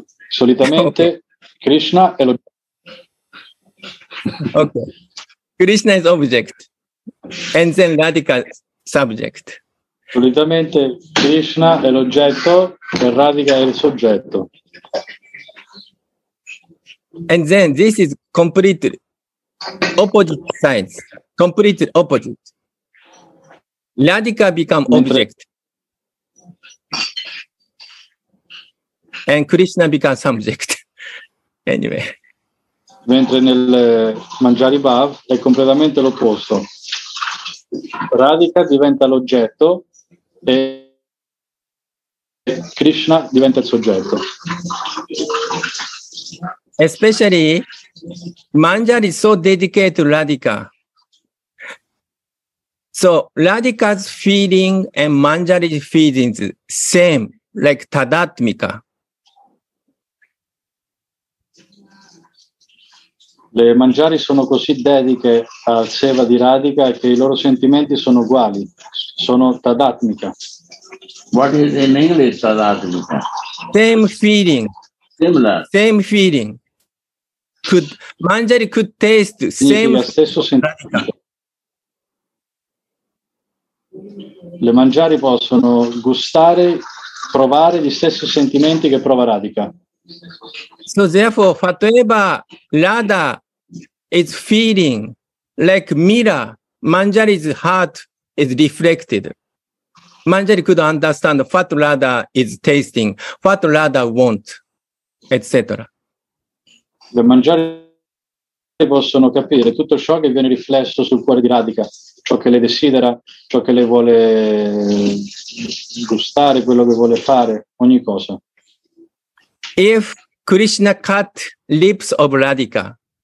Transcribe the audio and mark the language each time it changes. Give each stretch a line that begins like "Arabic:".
Italian: Solitamente okay. Krishna è
English: l'oggetto. Okay. Krishna is object and then Radhika subject.
Italian: Solitamente Krishna è l'oggetto e Radhika è il soggetto.
English: And then this is completely opposite sides, completely opposite. Radhika become object. And Krishna become subject. Anyway.
Italian: Mentre nel Manjari Bhav è completamente l'opposto. Radhika diventa l'oggetto e Krishna diventa il soggetto.
English: Especially Manjari is so dedicated to Radhika. So Radhika's feeling and Manjari's feelings same, like Tadatmika.
Italian: Le Manjari sono così dediche al Seva di Radhika che i loro sentimenti sono uguali, sono tadatmika.
English: What is in English tadatmika? Same feeling. Similar. Same feeling. Could Manjari could taste same.
Italian: Lo stesso sentimento. Le Manjari possono gustare, provare gli stessi sentimenti che prova Radhika.
English: So therefore, whatever Radha is feeling, like mirror, Manjari's heart is reflected. Manjari could understand what Radha is tasting, what Radha wants, etc.
Italian: Le Manjari possono capire tutto ciò che viene riflesso sul cuore di Radhika, ciò che le desidera, ciò che le vuole gustare, quello che vuole fare, ogni cosa.
English: If Krishna cut lips of Radhika,